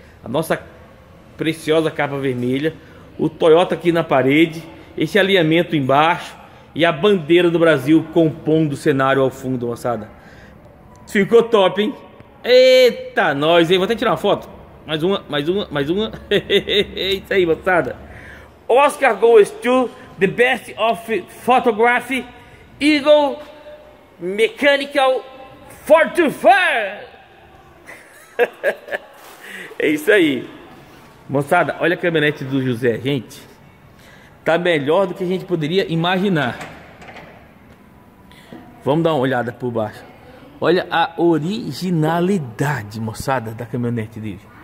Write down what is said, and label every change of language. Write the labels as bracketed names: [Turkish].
[Portuguese] A nossa preciosa capa vermelha. O Toyota aqui na parede. Esse alinhamento embaixo e a bandeira do Brasil compondo o cenário ao fundo, moçada. Ficou top, hein? Eita, nós, hein? Vou até tirar uma foto. Mais uma, mais uma, mais uma. Isso aí, moçada. [English] Oscar goes to the best of photography Eagle Mechanical 4x4. [Portuguese] É isso aí. Moçada, olha a caminhonete do José, gente. Tá melhor do que a gente poderia imaginar. Vamos dar uma olhada por baixo. Olha a originalidade, moçada, da caminhonete dele.